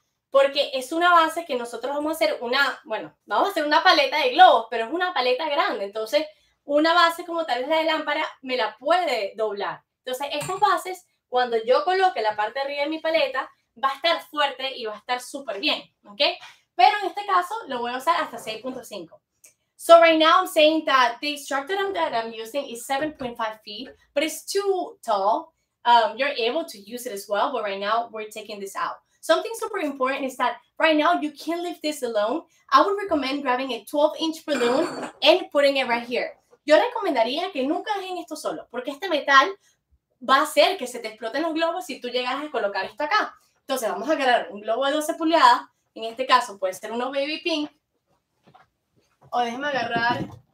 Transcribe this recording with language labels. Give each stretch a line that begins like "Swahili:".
Spanish: Porque es una base que nosotros vamos a hacer una, bueno, vamos a hacer una paleta de globos, pero es una paleta grande. Entonces, una base como tal es la de lámpara, me la puede doblar. Entonces, estas bases, cuando yo coloque la parte de arriba de mi paleta, va a estar fuerte y va a estar súper bien, ¿ok? Pero en este caso, lo voy a usar hasta 6.5.
English: So right now I'm saying that the structure that I'm using is 7.5 feet, but it's too tall. You're able to use it as well, but right now we're taking this out. Something super important is that right now you can't leave this alone. I would recommend grabbing a 12-inch balloon and putting it right here.
Spanish: Yo recomendaría que nunca dejen esto solo, porque este metal va a hacer que se te exploten los globos si tú llegas a colocar esto acá. Entonces vamos a agarrar un globo de 12 pulgadas, en este caso puede ser uno baby pink, o déjeme agarrar...